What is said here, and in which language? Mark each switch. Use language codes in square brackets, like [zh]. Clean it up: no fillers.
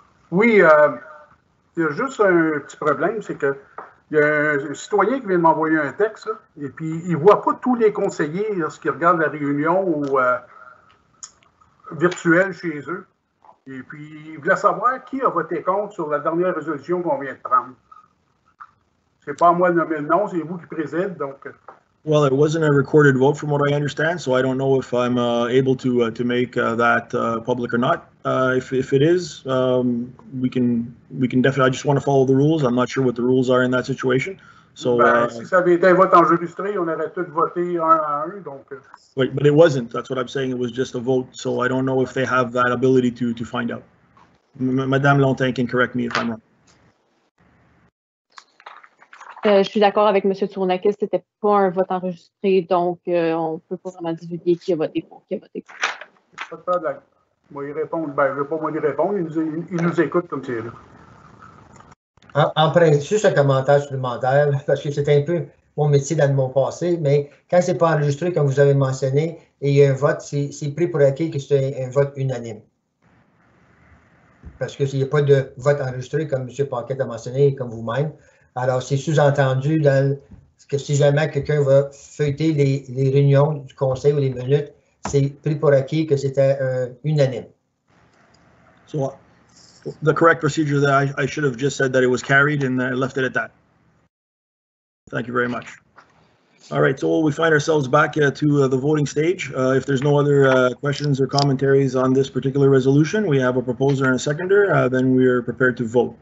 [fr] Oui, il y a juste un petit problème, c'est que il y a un citoyen qui vient de m'envoyer un texte, là, et puis il ne voit pas tous les conseillers lorsqu'ils regardent la réunion ou virtuelle chez eux. Et puis, il voulait savoir qui a voté contre sur la dernière résolution qu'on vient de prendre. C'est pas à moi de nommer le nom, c'est vous qui présidez, donc. [en] Well, it wasn't a recorded vote from what I understand, so I don't know if I'm able to make that public or not. If it is, we can definitely, I just want to follow the rules. I'm not sure what the rules are in that situation. So, [fr] Si ça avait été un vote enregistré, on aurait tous voté un à un, donc. [en] Wait, but it wasn't, that's what I'm saying, it was just a vote, so I don't know if they have that ability to find out. Madame Lantin can correct me if I'm wrong. [fr] Je suis d'accord avec M. Tournakis, ce n'était pas un vote enregistré, donc on ne peut pas vraiment divulguer qui a voté pour, qui a voté contre. Pas de problème. Moi, il répond. Ben, je ne vais pas moi y répondre. Il nous écoute comme c'est là. Après, juste un commentaire supplémentaire, parce que c'est un peu mon métier dans mon passé, mais quand ce n'est pas enregistré, comme vous avez mentionné, et il y a un vote, c'est pris pour acquis que c'est un vote unanime. Parce que s'il n'y a pas de vote enregistré, comme M. Paquette a mentionné, et comme vous-même. Alors, c'est sous-entendu que si jamais quelqu'un va feuilleter les réunions du conseil ou les minutes, c'est pris pour acquis que c'était unanime. [en] So, the correct procedure that I should have just said that it was carried and I left it at that. Thank you very much. All right, so we find ourselves back to the voting stage. If there's no other questions or commentaries on this particular resolution, we have a proposer and a seconder, then we are prepared to vote.